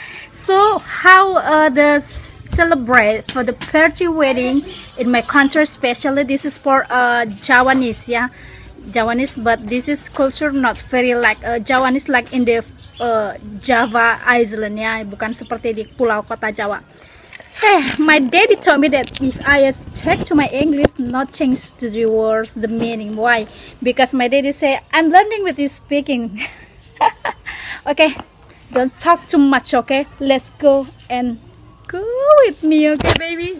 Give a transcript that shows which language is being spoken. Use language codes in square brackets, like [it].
[en] So, how the celebrate for the party wedding in my country, especially this is for Javanese, ya. Yeah? Javanese, but this is culture not very like Javanese like in the Java Island, ya. Yeah? [id] Bukan seperti di pulau kota Jawa. [en] Hey, my daddy told me that if I stick to my English, not change to the words, the meaning. Why? Because my daddy say, I'm learning with you speaking. Okay, don't talk too much, okay? Let's go and go with me, okay, baby?